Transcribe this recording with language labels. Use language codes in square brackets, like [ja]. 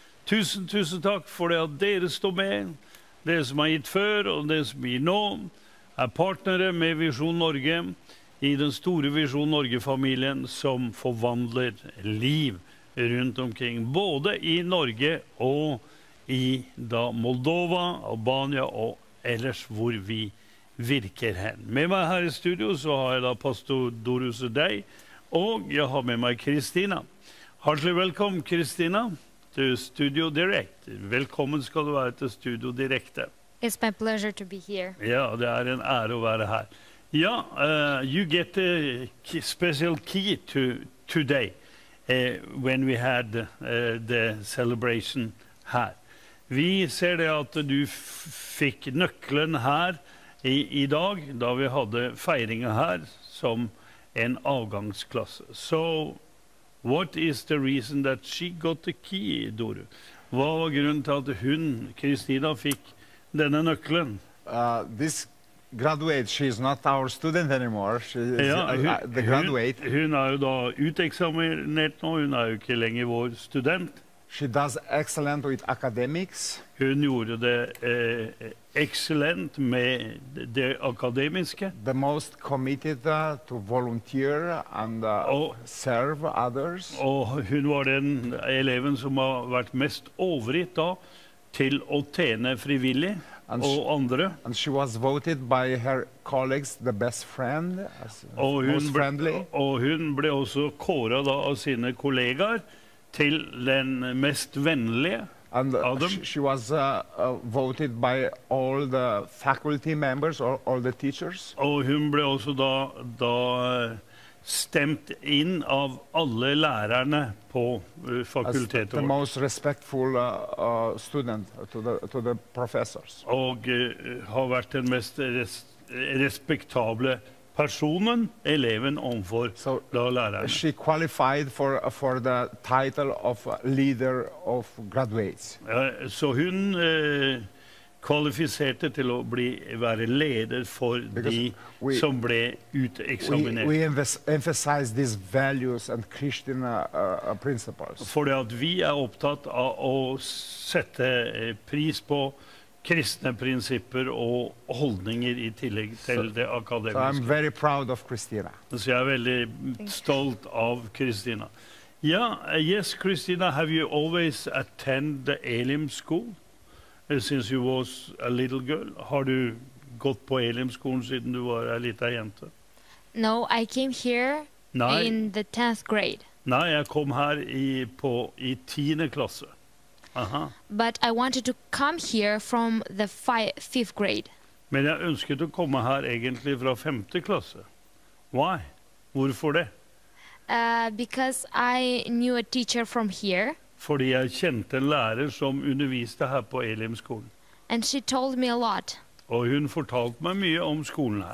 [no] Tusen, tusen takk for det at dere står med. Dere som har gitt før, og dere som gir nå, er partnere med Visjon Norge i den store Visjon Norge-familien som forvandler liv rundt omkring, både i Norge og i da Moldova, Albania og ellers hvor vi virker hen. Med meg her i studio så har jeg da pastor Dorus Dei, og jeg har med meg Kristina. Hjertelig velkommen, Kristina, til Studio Direct. Velkommen skal du være til Studio Direkte. [en] It's my pleasure to be here. [no] Ja, det er en ære å være her. [en] Ja, you get the special key to today when we had the celebration her. [no] Vi ser det at du fikk nøkkelen her i dag, da vi hadde feiringen her som en avgangsklasse. [en] So, what is the reason that she got the key, Doru? [no] Hva var grunnen til at hun, Kristina, fikk denne nøkkelen? [en] This graduate, she is not our student anymore. She is the graduate. [no] Hun er jo da uteksaminert nå, hun er jo ikke lenger vår student. [en] She does excellent with academics. [no] Hun gjorde det excellent med det akademiske. [en] The most committed to volunteer and serve others. [no] Og hun var den eleven som har vært mest overgitt da til å tjene frivillig og andre. [en] And she was voted by her colleagues the best friend, most friendly. [no] Og hun ble også kåret da av sine kollegaer til den mest vennlige av dem. [en] She was voted by all the faculty members, all the teachers. [no] Og hun ble også da stemt inn av alle lærerne på fakultetet vårt. [en] The most respectful student to the professors. [no] Og har vært den mest respektable personen, eleven omfor da læreren. [en] She qualified for the title of leader of graduates. [no] Så hun kvalifiserte til å være leder for de som ble uteksaminert. [en] We emphasize these values and Christian principles. [no] Fordi at vi er opptatt av å sette pris på kristne prinsipper og holdninger i tillegg til det akademiske. [en] So I'm very proud of Christina. [no] Så jeg er veldig stolt av Christina. [en] Ja, yes, Christina, have you always attended the Elim school since you was a little girl? [no] Har du gått på Elim skolen siden du var en liten jente? [en] No, I came here in the 10th grade. [no] Nei, jeg kom her i 10. klasse. Uh-huh. [en] But I wanted to come here from the fifth grade. [no] Men jeg ønsket å komme her egentlig fra 5. klasse. [en] Why? [no] Hvorfor det? [en] Because I knew a teacher from here. [no] Fordi jeg kjente en lærer som underviste her på Elim skolen. [en] And she told me a lot. [no] Og hun fortalte meg mye om skolen her.